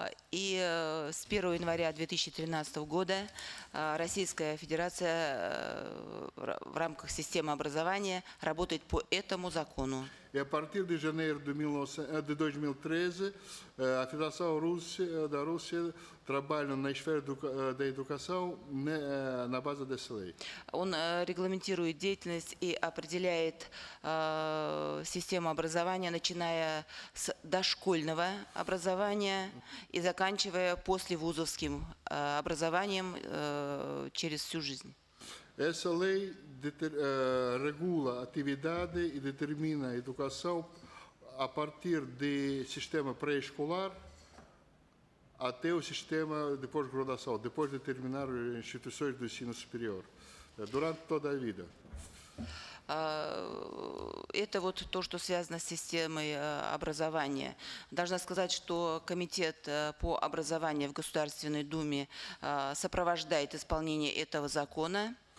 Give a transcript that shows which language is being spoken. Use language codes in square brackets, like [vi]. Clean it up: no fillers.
[ru] И с 1 января 2013 года Российская Федерация в рамках системы образования работает по этому закону. [pt] E a partir de janeiro de 2013, a Federação da Rússia trabalha na esfera da educação na base dessa lei. [ru] Он регламентирует деятельность и определяет систему образования, начиная с дошкольного образования и заканчивая послевузовским образованием через всю жизнь. [pt] Essa lei regula a atividade e determina a educação a partir de sistema pré-escolar até o sistema de pós-graduação, depois de terminar as instituições do ensino superior, durante toda a vida. [ru] Это вот то, что связано с системой образования. Должна сказать, что комитет по образованию в Государственной Думе сопровождает исполнение этого закона.